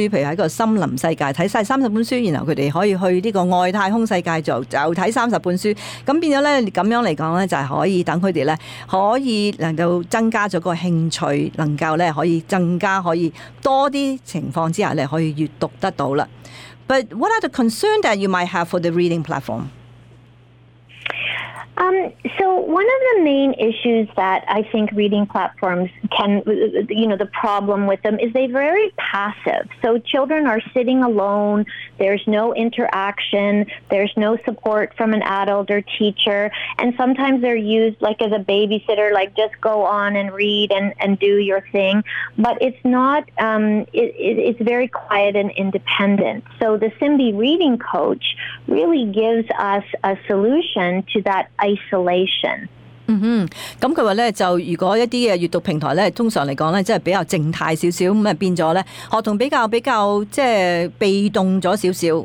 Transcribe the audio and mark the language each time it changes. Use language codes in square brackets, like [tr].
[yue] 譬如喺个森林世界睇晒30本书，然后佢哋可以去呢个外太空世界就睇30本书。咁变咗咧咁样嚟讲咧就系可以。以等佢哋咧，可以能夠增加咗個興趣，能夠咧可以更加可以多啲情況之下咧，可以閱讀得到啦。 [en] But what are the concerns that you might have for the reading platform? So one of the main issues that I think reading platforms can, you know, the problem with them is they're very passive. So children are sitting alone, there's no interaction, there's no support from an adult or teacher, and sometimes they're used like as a babysitter, like just go on and read and do your thing. But it's not, it's very quiet and independent. So the Simbi Reading Coach really gives us a solution to thatisolation. [yue] 嗯哼，咁佢话咧就如果一啲嘅阅读平台咧，通常嚟讲咧，即系比较静态少少，咁啊变咗咧，学童比较即系被动咗少少。